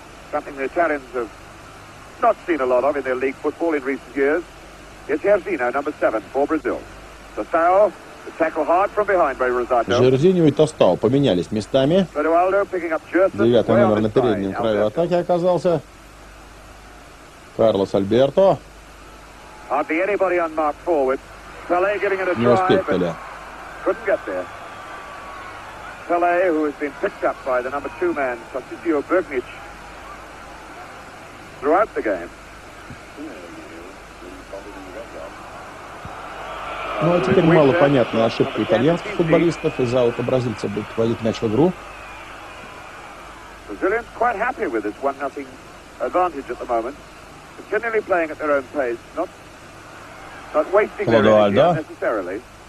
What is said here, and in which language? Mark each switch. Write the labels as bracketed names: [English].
[English] Something the Italians have not seen a lot of in their league football in recent years. It's Jairzinho, number 7 for Brazil. The foul, the tackle hard from behind by Rosario. [Russian] Jairzinho и Tostao поменялись местами. Девятый номер на переднем краю атаки оказался. Карлос Альберто. [English] Hardly anybody unmarked forward. Pelé giving it a try. [Russian] Не успел Пеле. [English] Couldn't get there. Pelé, who has been picked up by the number two man, Tarcisio Bergnich, throughout the game. [Russian] Ну, а теперь мало понятно ошибки итальянских футболистов, из-за аута бразильца будет вводить мяч в игру. [English] Brazilians quite happy with this 1-0 advantage at the moment. Continually playing at their own pace, not wasting their energy unnecessarily.